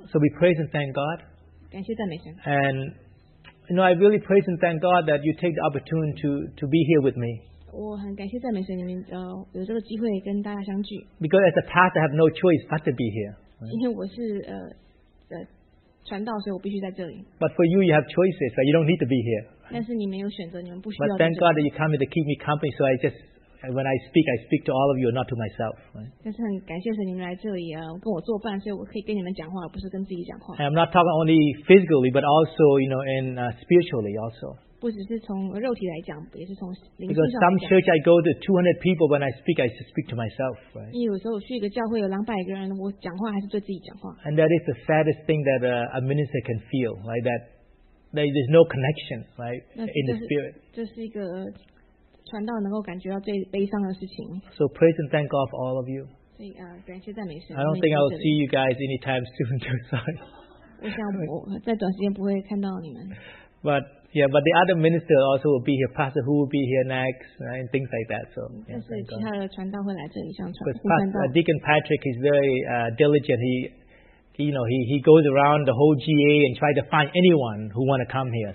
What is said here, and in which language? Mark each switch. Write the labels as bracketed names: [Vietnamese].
[English] So we praise and thank God. [Chinese] 感谢赞美神. [English] And you know, I really praise and thank God that you take the opportunity to be here with me. [Chinese] 我很感谢赞美神你们, 有这个机会跟大家相聚. [English] Because as a pastor, I have no choice but to be here. Right? [Chinese] 因为我是, 传道, 所以我必须在这里. [English] But for you, you have choices, right? You don't need to be here. [Chinese] 但是你没有选择, [English] but thank God that you come here to keep me company, so I just, when I speak to all of you, not to myself. Right? I'm not talking only physically, but also, you know, and spiritually also. [Chinese] 不只是从肉体来讲, [English] because some church I go to 200 people, when I just speak to myself. Right? And that is the saddest thing that a minister can feel, right? That there's no connection, right, in the spirit. [Chinese] 这是一个传道能够感觉到最悲伤的事情. [English] So praise and thank God for all of you. [Chinese] 所以感谢赞美神. [English] I don't think I'll see you guys anytime soon. Sorry. [Chinese] 我想我在短时间不会看到你们. [English] But yeah, but the other minister also will be here. Pastor Hu will be here next, right, and things like that. So. Yeah, Deacon Patrick is very diligent. He goes around the whole GA and try to find anyone who want to come here.